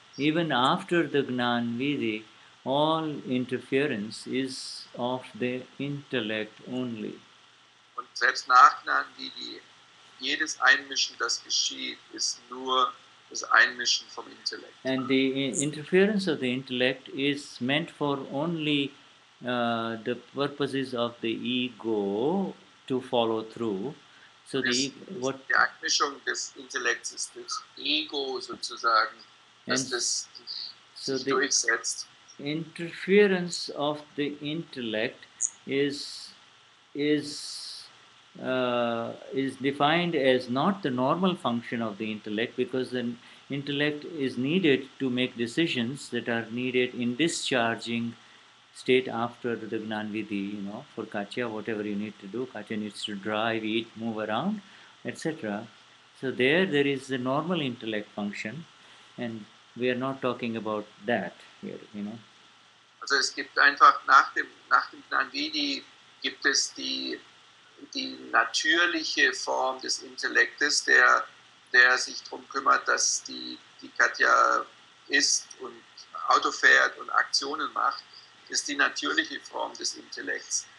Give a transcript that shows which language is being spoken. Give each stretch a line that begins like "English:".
English: Even after the Gnan Vidhi, all interference is of the intellect only.
German: Und selbst nach Gnan Vidhi, jedes Einmischen, das geschieht, ist nur
English: this
German: einmischen vom Intellekt.
English: And the interference of the intellect is meant for only the purposes of the ego to follow through. So the what
German: die Einmischung des Intellekts ist das Ego sozusagen, dass das so sich durchsetzt.
English: Interference of the intellect is defined as not the normal function of the intellect, because the intellect is needed to make decisions that are needed in discharging state after the Gnanvidhi, you know, for Katya, whatever you need to do. Katya needs to drive, eat, move around, etc. So there is the normal intellect function, and we are not talking about that here, you know.
German: Also es gibt einfach nach dem Gnanvidhi gibt es die natürliche Form des Intellektes, der sich darum kümmert, dass die Katja isst und Auto fährt und Aktionen macht, ist die natürliche Form des Intellekts.